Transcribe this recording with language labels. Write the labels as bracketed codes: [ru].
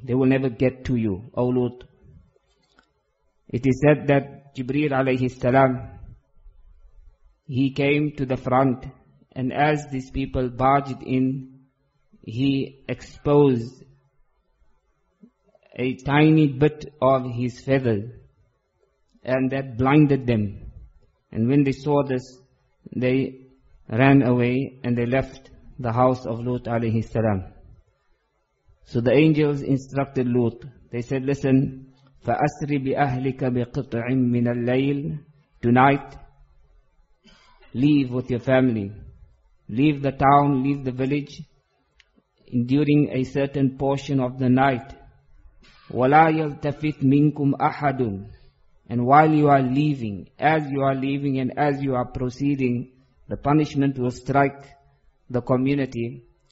[en] They will never get to you, O Lut. It is said that Jibreel alayhi salam, he came to the front, and as these people barged in, he exposed a tiny bit of his feather, and that blinded them. And when they saw this, they ran away and they left the house of Lut alayhi salam. So the angels instructed Lut. They said, listen, [ar] فَأَسْرِ بِأَهْلِكَ بِقِطْعٍ مِّنَ اللَّيْلِ. [en] Tonight, leave with your family. Leave the town, leave the village during a certain portion of the night. [ar] وَلَا يَلْتَفِتْ مِنْكُمْ أَحَدٌ. [en] And while you are leaving, as you are leaving and as you are proceeding, the punishment will strike the community.